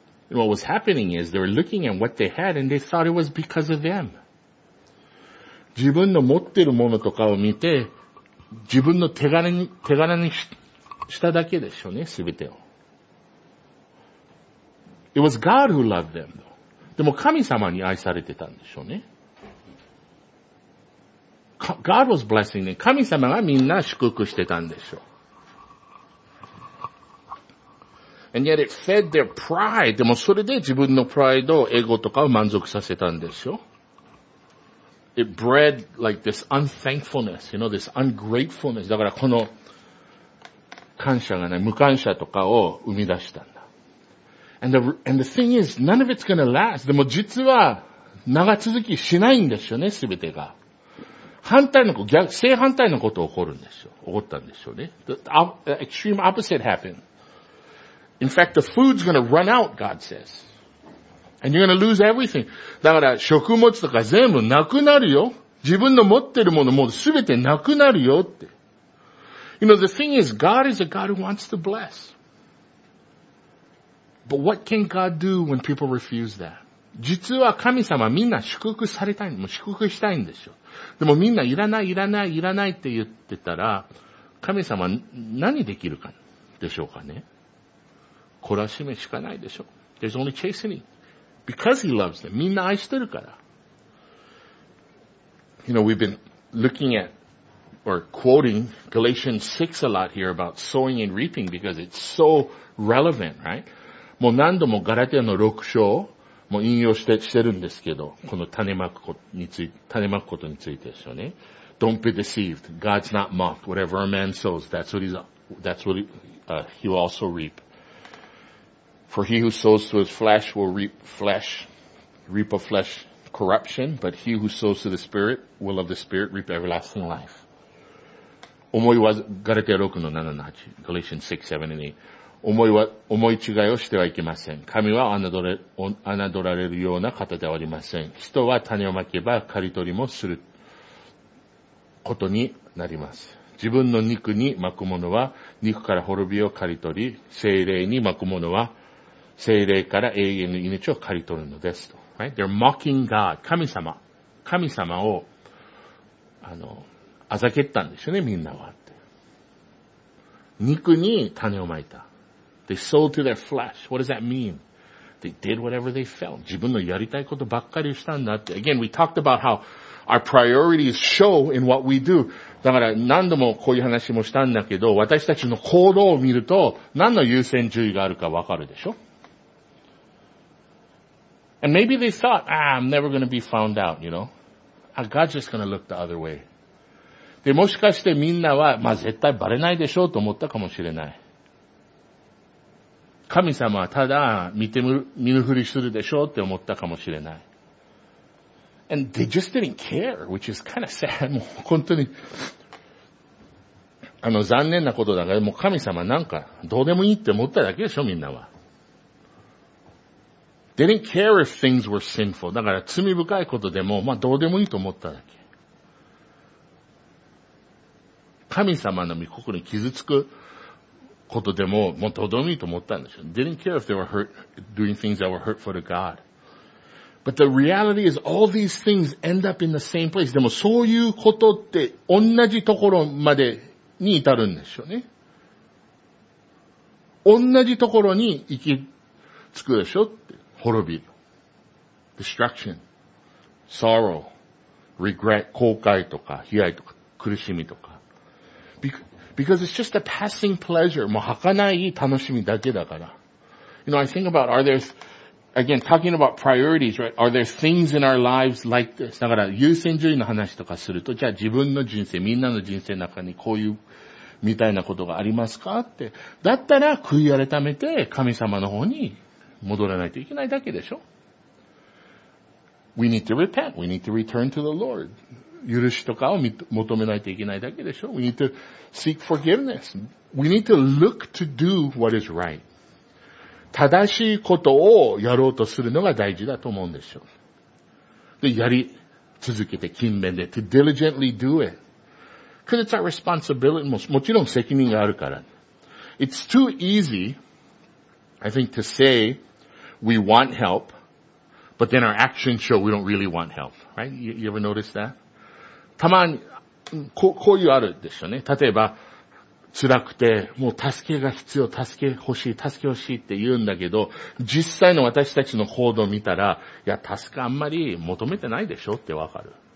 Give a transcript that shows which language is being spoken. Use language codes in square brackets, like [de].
[en] And what was happening is they were looking at what they had and they thought it was because of them. [ja] 自分の持ってるものとかを見て、自分の手柄にしただけでしょうね、すべてを。 [en] It was God who loved them, though. [ja] でも神様に愛されてたんでしょうね。 [en] God was blessing them. [ja] 神様がみんな祝福してたんでしょう。 [en] And yet it fed their pride. [ja] でもそれで自分のプライド、エゴとかを満足させたんでしょう。 [en] It bred like this unthankfulness, you know, this ungratefulness. [ja] だからこの感謝がない、無感謝とかを生み出した。 [en] And the thing is, none of it's gonna last. [ja] でも実は、長続きしないんですよね、すべてが。正反対のこと起こるんですよ。起こったんですよね。 [en] The extreme opposite happened. In fact, the food's gonna run out, God says. And you're gonna lose everything. [ja] だから、食物とか全部なくなるよ。自分の持ってるものもすべてなくなるよって。 [en] You know, the thing is, God is a God who wants to bless. But what can God do when people refuse that? [ja] 実は神様みんな祝福されたい、もう祝福したいんでしょ。でもみんないらないって言ってたら、神様何できるかでしょうかね。懲らしめしかないでしょ。 [en] There's only chastening. Because he loves them. [ja] みんな愛してるから。 [en] You know, we've been looking at or quoting Galatians 6 a lot here about sowing and reaping because it's so relevant, right? [ja] もう何度もガラテアの6章も引用して、してるんですけど、この種まくことについて、種まくことについてですよね。 [en] Don't be deceived. God's not mocked. Whatever a man sows, he will also reap. For he who sows to his flesh will reap flesh, reap of flesh corruption, but he who sows to the Spirit will of the Spirit reap everlasting life. [ja] 思いは、ガラテア6の7の8、 [en] Galatians 6, 7 and 8。 [ja] 思い違いをしてはいけません。神は侮られるような方ではありません。人は種をまけば刈り取りもすることになります。自分の肉にまくものは肉から滅びを刈り取り、聖霊にまくものは聖霊から永遠の命を刈り取るのですと。 [en] Right? They're mocking God. [ja] 神様。神様を、あざけったんですよね、みんなはって。肉に種をまいた。 [en] They sold to their flesh. What does that mean? They did whatever they felt. [ja] 自分のやりたいことばっかりしたんだって。 [en] Again, we talked about how our priorities show in what we do. [ja] だから何度もこういう話もしたんだけど、私たちの行動を見ると何の優先順位があるかわかるでしょ? [en] And maybe they thought, I'm never going to be found out, you know? God's just going to look the other way. [ja] で、もしかしてみんなは、まあ絶対バレないでしょうと思ったかもしれない。神様はただ見ぬふりするでしょうって思ったかもしれない。 [en] And they just didn't care, which is kind of sad. [ja] もう本当に、残念なことだから、もう神様なんかどうでもいいって思っただけでしょ、みんなは。 [en] They didn't care if things were sinful. [ja] だから罪深いことでも、まあどうでもいいと思っただけ。神様の御心に傷つく。ことでも、もうとどみと思ったんでしょ。 [en] Didn't care if they were hurt, doing things that were hurtful to God. But the reality is all these things end up in the same place. [ja] でもそういうことって同じところまでに至るんでしょうね。同じところに行き着くでしょって。滅び。 [en] Destruction. Sorrow. Regret. [ja] 後悔とか、悲哀とか、苦しみとか。 [en] Because it's just a passing pleasure. [ja] もう儚い楽しみだけだから。 [en] You know, I think about, are there, again, talking about priorities, right? Are there things in our lives like this? [ja] だから優先順位の話とかすると、じゃあ自分の人生、みんなの人生の中にこういうみたいなことがありますかって。だったら悔い改めて神様の方に戻らないといけないだけでしょ。 [en] We need to repent. We need to return to the Lord. [ja] 許しとかを求めないといけないだけでしょ。 [en] We need to seek forgiveness. We need to look to do what is right. [ja] 正しいことをやろうとするのが大事だと思うんでしょう。で、やり続けて勤勉で、 [en] to diligently do it. Because it's our responsibility. [ja] もちろん責任があるから。 [en] It's too easy, I think, to say we want help, but then our actions show we don't really want help. Right? You ever notice that? [ja] たまに、こういうあるでしょうね。例えば、辛くて、もう助けが必要、助け欲しいって言うんだけど、実際の私たちの行動を見たら、いや、助けあんまり求めてないでしょってわかる。